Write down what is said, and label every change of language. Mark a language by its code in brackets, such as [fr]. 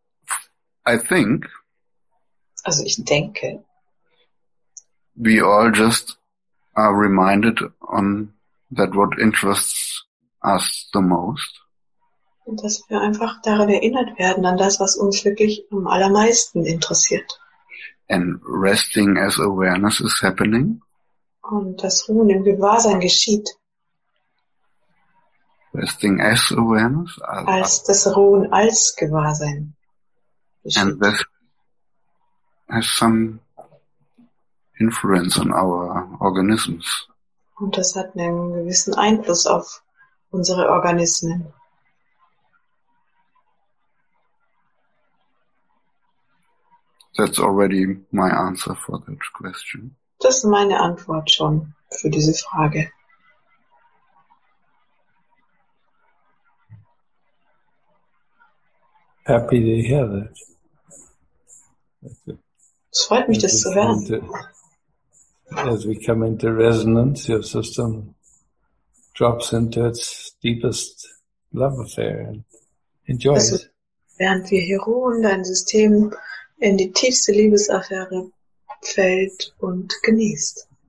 [en] Uh-huh. I think. [de] Also ich denke. [en] We all just are reminded on that what interests us the most. [de] Dass wir einfach daran erinnert werden, an das, was uns wirklich am allermeisten interessiert. [en] And resting as awareness is happening. [de] Und das Ruhen im Gewahrsein geschieht. [en] Resting as awareness. [de] Als das Ruhen als Gewahrsein geschieht. [en] And this has some influence on our organisms. [de] Und das hat einen gewissen Einfluss auf unsere Organismen. [en] That's already my answer for that question. [de] Das ist meine Antwort schon für diese Frage. [en] Happy to hear that. [de] Es freut mich, das zu hören. [en] As we come into resonance, your system drops into its deepest love affair and enjoys it. [de] Während wir hier ruhen, dein System in die tiefste Liebesaffäre fällt und genießt.